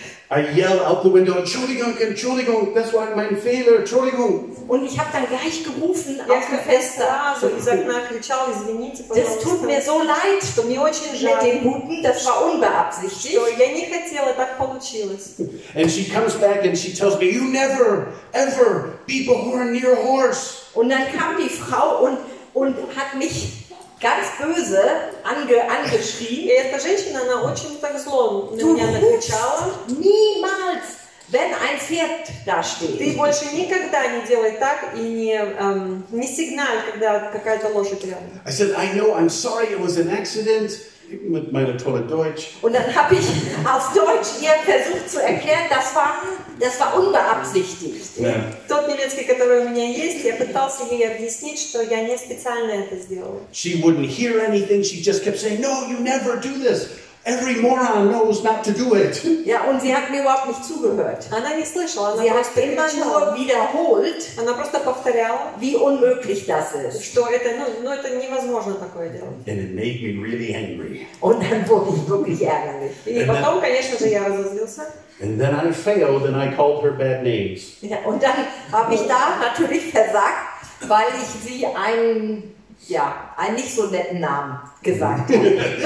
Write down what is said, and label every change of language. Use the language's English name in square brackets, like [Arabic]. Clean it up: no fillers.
[English] I yell out the window, [German] Entschuldigung, Entschuldigung, das war mein Fehler, Entschuldigung. Und ich habe dann gleich gerufen auf dem Fenster. Das tut mir so leid, [Russian] что мне очень жаль. [German] Mit dem Guten, das war unbeabsichtigt. [Russian] Что я не хотела, так получилось. [English] And she comes back and she tells me, you never, ever people who are near a horse. [German] Und dann kam die Frau und hat mich ganz böse angeschrien. [Russian] И эта женщина, она очень так зло на меня накричала. [German] Niemals, wenn ein Pferd da steht. [Russian] Ты больше никогда не делай так и не сигналь, когда какая-то лошадь рядом. [English] I said, I know, I'm sorry, it was an accident. [German] Mit meiner tollen Deutsch. Und dann habe ich auf Deutsch ihr versucht zu erklären, das war unbeabsichtigt. [English] Yeah. [Russian] Тот немецкий, который у меня есть, я пытался ей объяснить, что я не специально это сделал. [English] She wouldn't hear anything. She just kept saying, "No, you never do this. Every moron knows not to do it." [German] Ja, und sie hat mir überhaupt nicht zugehört. [Russian] Она не слышала. [German] Sie hat immer nur wiederholt. [Russian] Она просто повторяла, [German] wie unmöglich das ist. [Russian] Что это, это невозможно такое делать. [English] And it made me really angry. [German] Und dann wurde ich wirklich ärgerlich. [Russian] И потом, конечно же, я разозлился. [English] And then I failed and I called her bad names. [German] Ja, und dann habe ich da natürlich versagt, weil ich sie einen nicht so netten Namen gesagt habe.